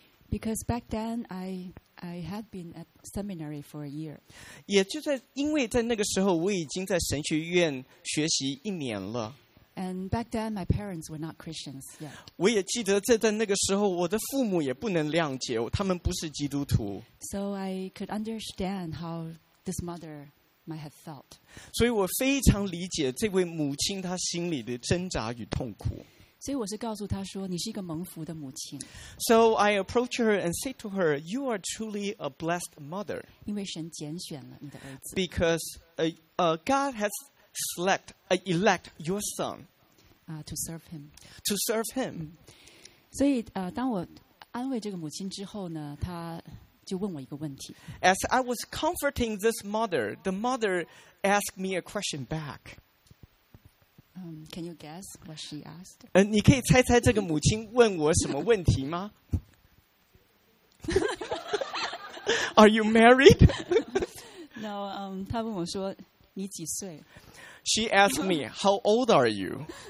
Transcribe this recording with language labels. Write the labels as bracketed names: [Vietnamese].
[English] Because back then I had been at seminary for a year. [Chinese] 也就在因为在那个时候，我已经在神学院学习一年了。 [English] And back then, my parents were not Christians yet. [Chinese] 我也记得在那个时候，我的父母也不能谅解，他们不是基督徒。 [English] So I could understand how this mother might have felt. [Chinese] 所以我非常理解这位母亲她心里的挣扎与痛苦。所以我是告诉她说，你是一个蒙福的母亲。 [English] So I approached her and said to her, "You are truly a blessed mother." [Chinese] 因为神拣选了你的儿子。 [English] Because God has elect your son to serve him. To serve him. [Chinese] 所以当我安慰这个母亲之后呢，她就问我一个问题。 [English] As I was comforting this mother, the mother asked me a question back. Can you guess what she asked? [Chinese] 你可以猜猜这个母亲问我什么问题吗？ [English] Are you married? [Chinese] No. 她问我说，你几岁？ [English] She asked me, "How old are you?"